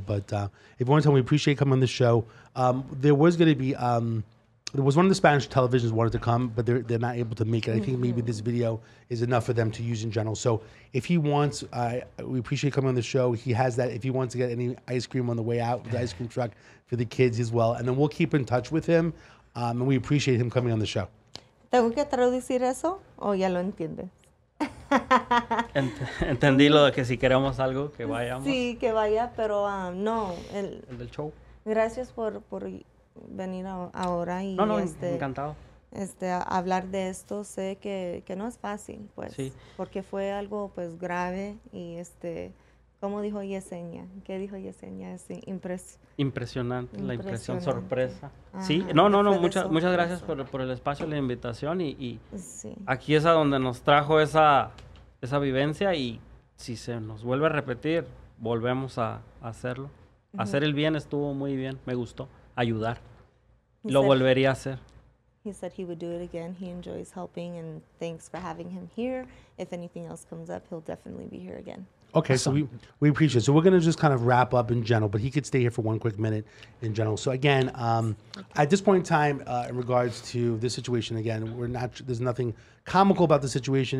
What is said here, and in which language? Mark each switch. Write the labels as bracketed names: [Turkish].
[English] But if you want to tell me, appreciate coming on the show. There was going to be, there was one of the Spanish televisions wanted to come, but they're not able to make it. I think maybe this video is enough for them to use in general. So if he wants, we appreciate coming on the show. He has that. If he wants to get any ice cream on the way out, the ice cream truck for the kids as well. And then we'll keep in touch with him. And we appreciate him coming on the show. [Spanish] ¿Tengo que traducir eso o ya lo entiendes? Entendí lo de que si queremos algo, que vayamos. Sí, que vaya, pero no. El del show. Gracias por venir ahora. Y no, encantado. Hablar de esto, sé que no es fácil, pues. Sí. Porque fue algo, pues, grave y, ¿cómo dijo Yesenia? ¿Qué dijo Yesenia? Es impresionante, la impresión, sorpresa. Ajá, sí, no, muchas gracias por el espacio, la invitación y sí. Aquí es a donde nos trajo esa vivencia y si se nos vuelve a repetir, volvemos a hacerlo. Ajá. Hacer el bien estuvo muy bien, me gustó, ayudar. Lo volvería a hacer. [English] He said he would do it again. He enjoys helping and thanks for having him here. If anything else comes up, he'll definitely be here again. Okay, so we appreciate it. So we're going to just kind of wrap up in general, but he could stay here for one quick minute in general. So again, at this point in time, in regards to this situation, again, there's nothing comical about the situation.